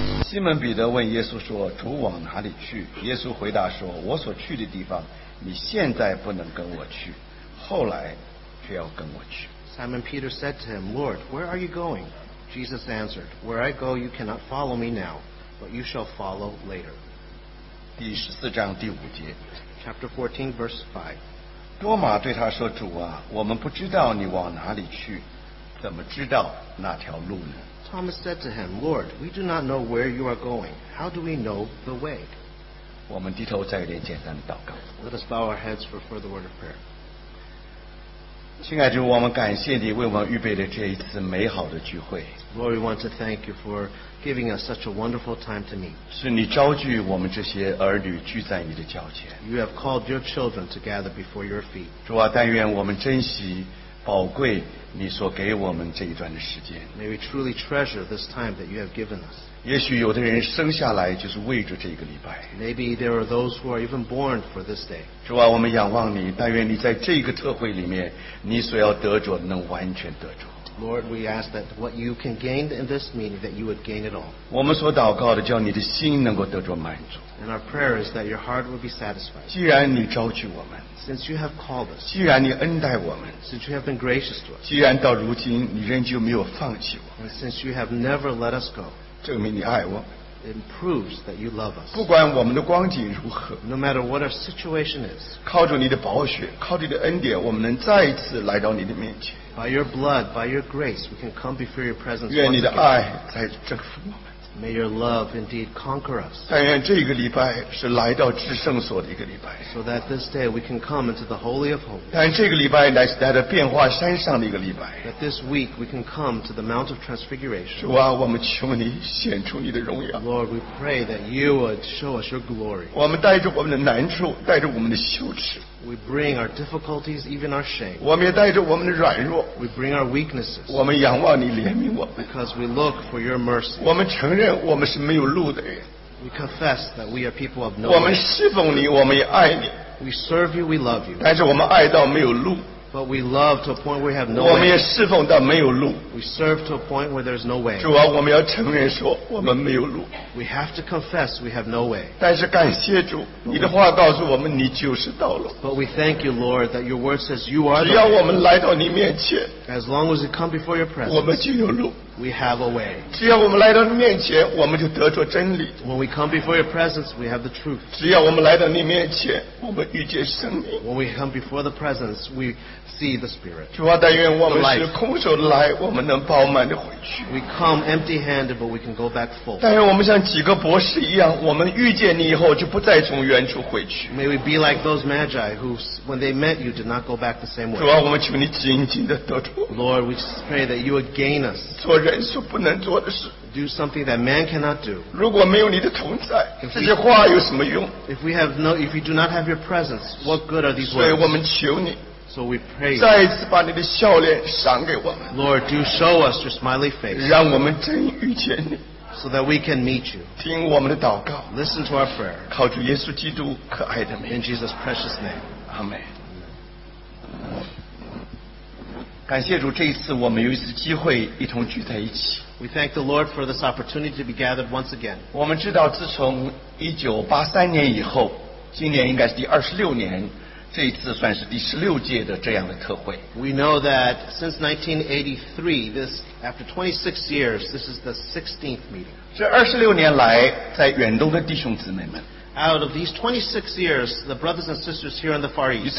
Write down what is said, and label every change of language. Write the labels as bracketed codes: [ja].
[zh] 西门彼得问耶稣说主往哪里去耶稣回答说我所去的地方你现在不能跟我去后来却要跟我去 [en] Simon Peter said to him Lord where are you going Jesus answered where I go you cannot follow me now but you shall follow later [zh] 第十四章第五节 [en] Chapter 14 verse 5 [zh] 多马对他说主啊我们不知道你往哪里去怎么知道那条路呢 [en] Thomas said to him, Lord, we do not know where you are going. How do we know the way? [zh] 我们低头再一点简单的祷告。 [en] Let us bow our heads for further word of prayer. [zh] 亲爱的主，我们感谢你为我们预备的这一次美好的聚会。 [en] Lord, we want to thank you for giving us such a wonderful time to meet. [zh] 是你召聚我们这些儿女聚在你的脚前。 [en] You have called your children to gather before your feet. [zh] 主啊，但愿我们珍惜宝贵你所给我们这一段的时间 [en] May we truly treasure this time that you have given us [zh] 也许有的人生下来就是为着这个礼拜 [en] Maybe there are those who are even born for this day [zh] 主啊我们仰望你但愿你在这个特会里面你所要得着的能完全得着 [en] Lord we ask that what you can gain in this meeting that you would gain it all [zh] 我们所祷告的叫你的心能够得着满足 [en] And our prayer is that your heart would be satisfied [zh] 既然你召聚我们 [en] Since you have called us, [zh] 既然你恩待我们 [en] since you have been gracious to us, [zh] 既然到如今你仍旧没有放弃我们 [en] and since you have never let us go, [zh] 证明你爱我们 [en] it proves that you love us. [zh] 不管我们的光景如何 [en] no matter what our situation is, [zh] 靠着你的宝血靠着你的恩典我们能再一次来到你的面前 [en] by your blood, by your grace, we can come before your presence [zh] 愿你的爱再征服我们 [en] May your love indeed conquer us. [zh] 但愿这个礼拜是来到至圣所的一个礼拜。 [en] So that this day we can come into the Holy of Holies. [zh] 但这个礼拜乃是来到变化山上的一个礼拜。 [en] That this week we can come to the Mount of Transfiguration. [zh] 主啊，我们求你显出你的荣耀。 [en] Lord, we pray that you would show us your glory. [zh] 我们带着我们的难处，带着我们的羞耻。 [en] We bring our difficulties, even our shame. [zh] 我们也带着我们的软弱。 [en] We bring our weaknesses. [zh] 我们仰望你怜悯我们。 [en] Because we look for your mercy. [zh] 我们承认我们是没有路的人。 [en] We confess that we are people of no way. [zh] 我们侍奉你，我们也爱你。 [en] We serve you, we love you. [zh] 但是我们爱到没有路。 [en] But we love to a point where we have no way. [zh] 我们也侍奉到没有路。 [en] We serve to a point where there's no way. [zh] 主啊，我们要承认说我们没有路。 [en] We have to confess we have no way. [zh] 但是感谢主，你的话告诉我们你就是道路。 [en] But we thank you, Lord, that your word says you are the way. [zh] 只要我们来到你面前。 [en] As long as we come before your presence. [zh] 我们就有路。 [en] We have a way. [zh] 只要我们来到你面前，我们就得着真理。 [en] When we come before your presence, we have the truth. [zh] 只要我们来到你面前，我们遇见生命。 [en] When we come before the presence, we see the Spirit. [zh] 主啊，但愿我们是空手来，我们能饱满地回去。 [en] We come empty-handed, but we can go back full. [zh] 但愿我们像几个博士一样，我们遇见你以后就不再从原处回去。 [en] May we be like those magi who, when they met you, did not go back the same way. [zh] 主啊，我们求你紧紧地得住。 [en] Lord, we just pray that you would gain us. [zh] 做人所不能做的事。 [en] Do something that man cannot do. [zh] 如果没有你的同在，这些话有什么用？ [en] If you do not have your presence, what good are these words? [zh] 所以我们求你。 [en] So we pray. [zh] 再一次把你的笑脸赏给我们。 [en] Lord, do show us your smiley face. [zh] 让我们真遇见你。 [en] So that we can meet you. [zh] 听我们的祷告。 [en] Listen to our prayer. [zh] 靠主耶稣基督可爱的名。 [en] In Jesus' precious name. Amen. [zh] 感谢主，这一次我们有一次机会一同聚在一起。 [en] We thank the Lord for this opportunity to be gathered once again. [zh] 我们知道，自从1983年以后，今年应该是第26年，这一次算是第16届的这样的特会。 [en] We know that since 1983, this after 26 years, this is the 16th meeting. [zh] 这26年来，在远东的弟兄姊妹们。 [en] out of these 26 years, the brothers and sisters here in the Far East,